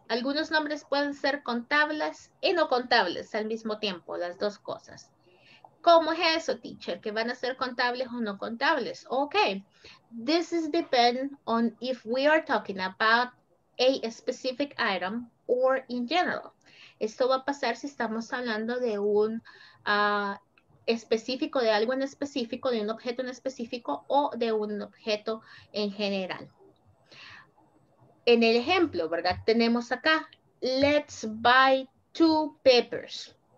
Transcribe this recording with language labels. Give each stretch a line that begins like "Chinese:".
Spanish: Algunos nombres pueden ser contables y no contables al mismo tiempo, las dos cosas. ¿Cómo es eso, teacher? ¿Que van a ser contables o no contables?
English: Okay. This is depend on if we are talking about a specific item or in general.
Spanish: Esto va a pasar si estamos hablando de un específico, de algo en específico, de un objeto en específico o de un objeto en general. En el ejemplo, ¿verdad? Tenemos acá,
English: let's buy 2 papers.